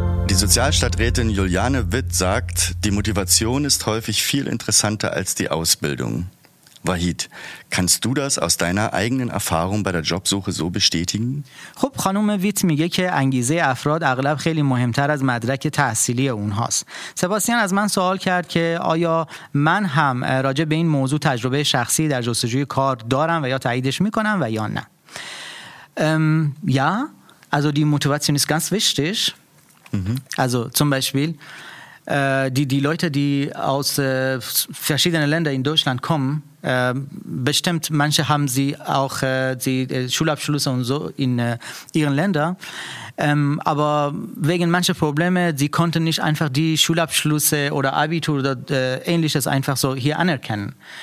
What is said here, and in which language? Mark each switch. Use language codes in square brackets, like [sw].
[de] Die Sozialstadträtin Juliane Witt sagt, die Motivation ist häufig viel interessanter als die Ausbildung. وحید، kannst du das aus deiner eigenen Erfahrung bei der Jobsuche so bestätigen؟ [fa] خب خانم ویت میگه که انگیزه افراد اغلب خیلی مهمتر از مدرک تحصیلی اونهاست. سباستیان از من سوال کرد که آیا من هم راجع به این موضوع تجربه شخصی در جستجوی کار دارم و یا تاییدش میکنم و یا نه. [de] یا also die Motivation ist ganz wichtig. Also zum Beispiel die Leute, die aus verschiedenen Ländern in Deutschland kommen, bestimmt manche haben sie auch die Schulabschlüsse und so in ihren Ländern, aber wegen mancher Probleme, sie konnten nicht einfach die Schulabschlüsse oder Abitur oder ähnliches einfach so hier anerkennen.